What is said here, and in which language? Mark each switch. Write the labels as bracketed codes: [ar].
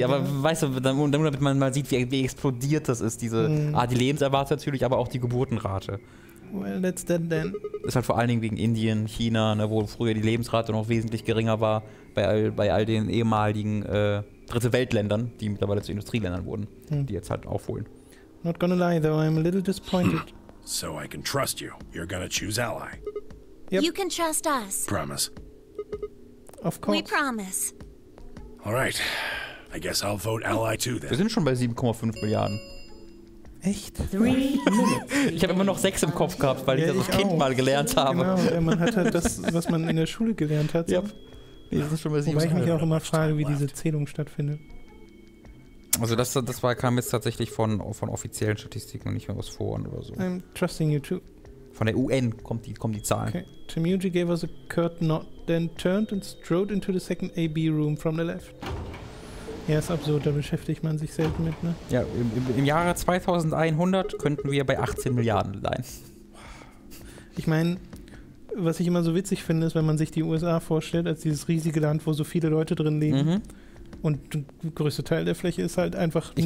[de] Ja, aber weißt du, damit man mal sieht, wie explodiert das ist, diese die Lebenserwartung natürlich, aber auch die Geburtenrate. [en] Well, that's then then. [de] Ist halt vor allen Dingen wegen Indien, China, ne, wo früher die Lebensrate noch wesentlich geringer war, bei all den ehemaligen Dritte Weltländern, die mittlerweile zu Industrieländern wurden, die jetzt halt aufholen. [en] Not gonna lie, though, I'm a little disappointed. So I can trust you. You're gonna choose Ally. Yep. You can trust us. Promise. Of course. We promise. All right. I guess I'll vote Ally too then. [de] Wir sind schon bei 7,5 Milliarden. Echt? Ich habe immer noch 6 im Kopf gehabt, weil ich das als Kind mal gelernt habe. Genau, man hat halt das, was man in der Schule gelernt hat. [en] Yep. [de] Wir sind schon bei 7. Wobei ich mich auch immer frage, wie diese Zählung stattfindet. Also das war, kam jetzt tatsächlich von offiziellen Statistiken und nicht mehr aus Foren oder so. [en] I'm trusting you too. [de] Von der UN kommen die Zahlen. Okay. [en] Temuji gave us a curt nod, then turned and strode into the second AB room from the left. [de] Ja, ist absurd, da beschäftigt man sich selten mit, ne? Ja, im Jahre 2100 könnten wir bei 18 Milliarden sein. Ich meine, was ich immer so witzig finde, ist, wenn man sich die USA vorstellt, als dieses riesige Land, wo so viele Leute drin leben. Mhm. Und der größte Teil der Fläche ist halt einfach nichts.